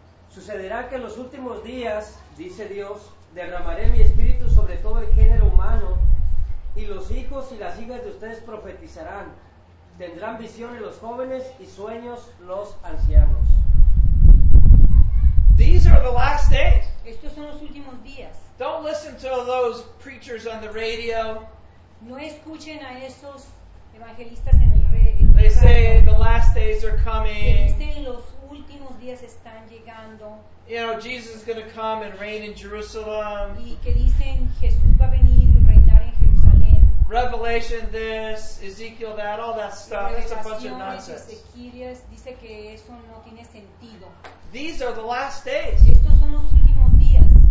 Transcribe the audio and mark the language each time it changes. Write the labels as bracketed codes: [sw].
[es] Sucederá que en los últimos días, dice Dios, derramaré mi espíritu sobre todo el género humano, y los hijos y las hijas de ustedes profetizarán. Tendrán visiones los jóvenes y sueños los ancianos. [en] These are the last days. [es] Estos son los últimos días. [en] Don't listen to those preachers on the radio. [es] No escuchen a esos evangelistas en el radio. [en] They say the last days are coming. [es] Dicen los últimos días están llegando. [en] You know, Jesus is going to come and reign in Jerusalem. [es] Y que dicen Jesús va a venir y reinar en Jerusalén. [en] Revelation this, Ezekiel that, all that stuff. It's a bunch of nonsense. [es] Dice que eso no tiene sentido. [en] These are the last days. [es] Estos son los últimos días.